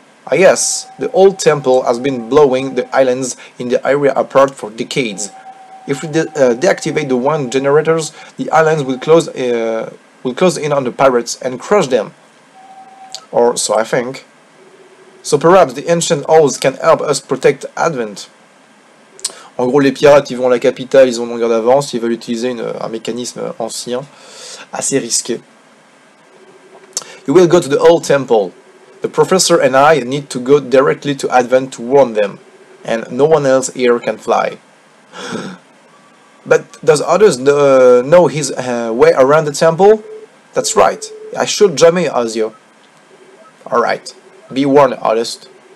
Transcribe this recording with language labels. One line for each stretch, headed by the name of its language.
English: Ah yes, the old temple has been blowing the islands in the area apart for decades. If we deactivate the wind generators, the islands will close in on the pirates and crush them. Or so I think. So perhaps the ancient owls can help us protect Advent.
French: En gros, les pirates, ils vont à la capitale, ils ont une longueur d'avance, ils veulent utiliser un mécanisme ancien, assez risqué.
English: You will go to the old temple. The professor and I need to go directly to Advent to warn them. And no one else here can fly. But does others know his way around the temple? That's right. I should jamais, Ezio. Alright. Be warned, Artist.